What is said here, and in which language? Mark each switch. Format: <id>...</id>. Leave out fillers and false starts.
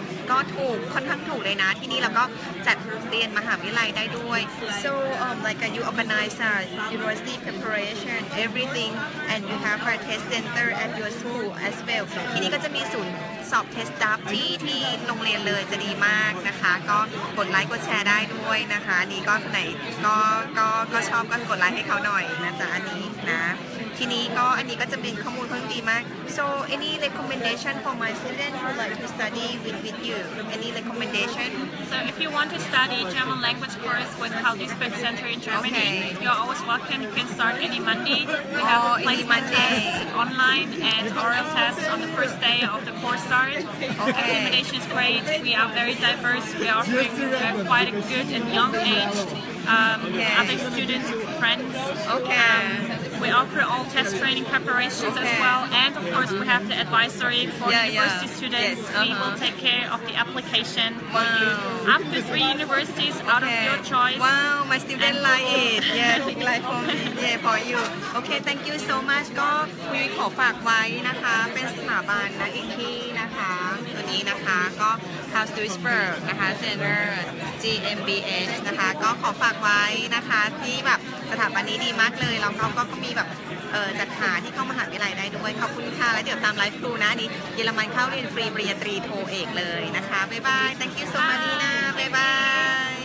<th>ก็ถูกค่อนข้างถูกเลยนะที่นี่เราก็จัดเรียนมหาวิทยาลัยได้ด้วย</th> <en>so like you organize university preparation everything and you have a test center at your school as well</en> <th>ที่นี่ก็จะมีศูนย์สอบเทสต์ดับที่โรงเรียนเลยจะดีมากนะคะก็กดไลค์กดแชร์ได้ด้วยนะคะนี่ก็ไหน ก็ชอบก็กดไลค์ให้เขาหน่อยนะจ๊ะอันนี้นะทีนี้ก็อันนี้ก็จะเป็นข้อมูลค่อนข้างดีมาก</th> <en>so any recommendation for my student who like to study with you any recommendation so if you want to study German language course with Karl Duisberg Center in Germany you're always welcome you can start any Monday we have a placement test online and oral test on the first day of the course start accommodation is great we are very diverse we are offering quite a good and young age other students friends we offer all test training preparations as well and of course we have the advisory for university students we will take care of the application for you up to 3 universities out of your choice wow my student like it yeah like for me yeah for you okay thank you so much</en> <th>ก็มีขอฝากไว้นะคะเป็นสถาบันนะอีกที่นะคะตัวนี้นะคะก็ Karl Duisberg นะคะ Center GmbH นะคะก็ขอฝากไว้นะคะที่แบบสถาบันนี้ดีมากเลยแล้วก็มีแบบจัดหาที่เข้ามหาวิทยาลัยได้ด้วยขอบคุณค่ะแล้วเดี๋ยวตามไลฟ์ครูนะนี่เยอรมันเข้าเรียนฟรีปริญญาตรีโทเอกเลยนะคะบ๊ายบาย</th> <en>thank you so much</en> <th>นะบ๊ายบาย</th>